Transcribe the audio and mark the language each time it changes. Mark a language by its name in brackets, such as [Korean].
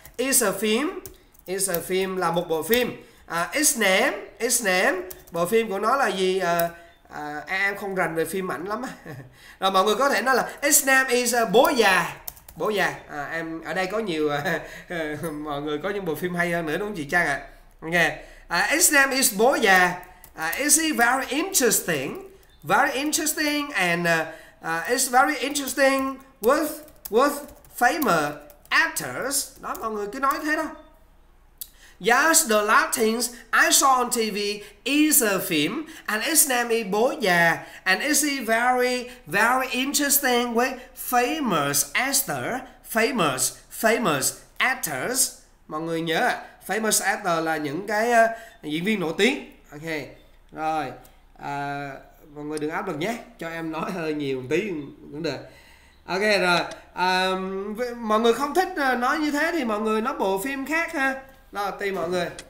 [English] Is a film [Vietnamese] là một bộ phim. [English] Its name [Vietnamese] bộ phim của nó là gì? Em không rành về phim ảnh lắm. Rồi mọi người có thể nói là [English] its name is [Vietnamese] bố già. Bố già. Em ở đây có nhiều mọi người có những bộ phim hay hơn nữa đúng không chị Trang ạ? Nghe. [English] Its name is bố già. Is he very interesting and is very interesting with famous actors. [Vietnamese] Đó mọi người cứ nói thế đó. [English] Yes, the last things I saw on TV is a film and its name is bố già and is he very interesting with famous actor, famous actors. [Vietnamese] Mọi người nhớ famous actor là những cái diễn viên nổi tiếng. Ok. Rồi, mọi người đừng áp lực nhé, cho em nói hơi nhiều một tí cũng được. Ok rồi, mọi người không thích nói như thế thì mọi người nói bộ phim khác ha. Rồi, tùy mọi người.